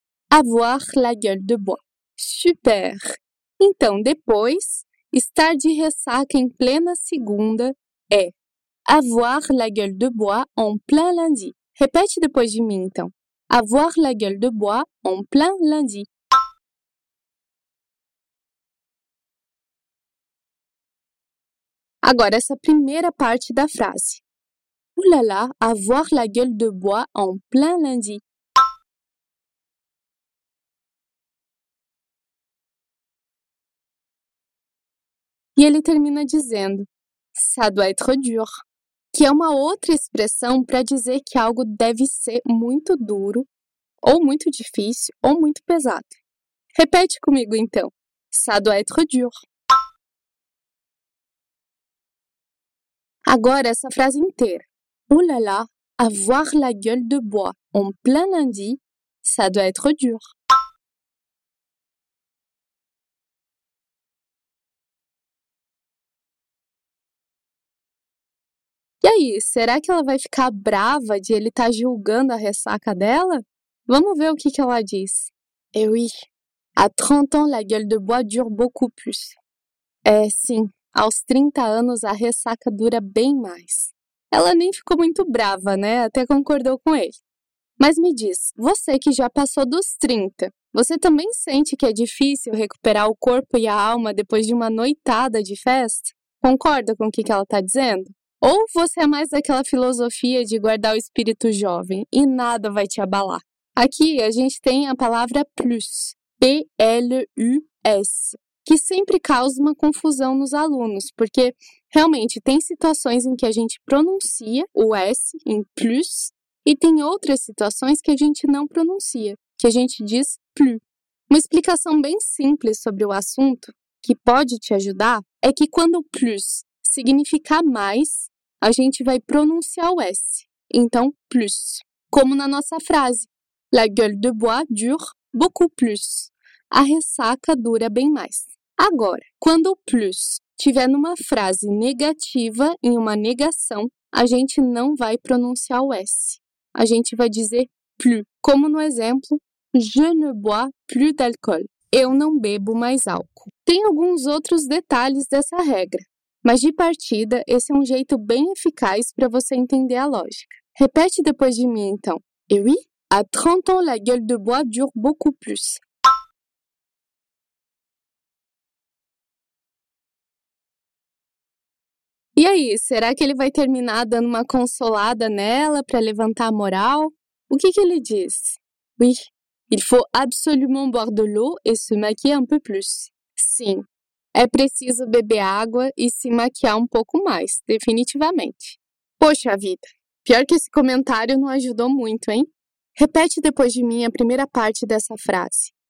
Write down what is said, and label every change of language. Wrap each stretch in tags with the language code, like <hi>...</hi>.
<fr>Avoir la gueule de bois. Super!</fr> <pt>Então, depois, estar de ressaca em plena segunda é</pt> <fr>avoir la gueule de bois en plein lundi.</fr> <pt>Repete depois de mim, então.</pt> <fr>Avoir la gueule de bois en plein lundi.</fr> <pt>Agora, essa primeira parte da frase.</pt> <fr>Oh là là, avoir la gueule de bois en plein lundi.</fr> <pt>E ele termina dizendo,</pt> <fr>ça doit être dur.</fr> <pt>que é uma outra expressão para dizer que algo deve ser muito duro, ou muito difícil, ou muito pesado. Repete comigo, então.</pt> <fr>Ça doit être dur.</fr> <pt>Agora, essa frase inteira.</pt> <fr>Oh là là, avoir la gueule de bois en plein lundi, ça doit être dur.</fr> <pt>E aí, será que ela vai ficar brava de ele estar julgando a ressaca dela? Vamos ver o que que ela diz.</pt> <fr>Eh oui, à 30 ans, la gueule de bois dure beaucoup plus.</fr> <pt>É, sim, aos 30 anos a ressaca dura bem mais. Ela nem ficou muito brava, né? Até concordou com ele. Mas me diz, você que já passou dos 30, você também sente que é difícil recuperar o corpo e a alma depois de uma noitada de festa? Concorda com o que ela está dizendo? Ou você é mais daquela filosofia de guardar o espírito jovem e nada vai te abalar? Aqui a gente tem a palavra plus, PLUS, que sempre causa uma confusão nos alunos, porque realmente tem situações em que a gente pronuncia o S em plus e tem outras situações que a gente não pronuncia, que a gente diz plus. Uma explicação bem simples sobre o assunto, que pode te ajudar, é que quando plus significa mais, a gente vai pronunciar o S, então plus, como na nossa frase.</pt> <fr>La gueule de bois dure beaucoup plus.</fr> <pt>A ressaca dura bem mais. Agora, quando o plus estiver numa frase negativa, em uma negação, a gente não vai pronunciar o S. A gente vai dizer plus, como no exemplo,</pt> <fr>je ne bois plus d'alcool.</fr> <pt>Eu não bebo mais álcool. Tem alguns outros detalhes dessa regra, mas de partida, esse é um jeito bem eficaz para você entender a lógica. Repete depois de mim, então.</pt> <fr>Eu oui? À 30 ans, la gueule de bois dure beaucoup plus.</fr> <pt>E aí, será que ele vai terminar dando uma consolada nela para levantar a moral? O que que ele diz?</pt> <fr>Oui, il faut absolument boire de l'eau et se maquiller un peu plus.</fr> <pt>Sim, é preciso beber água e se maquiar um pouco mais, definitivamente. Poxa vida, pior que esse comentário não ajudou muito, hein? Repete depois de mim a primeira parte dessa frase.</pt>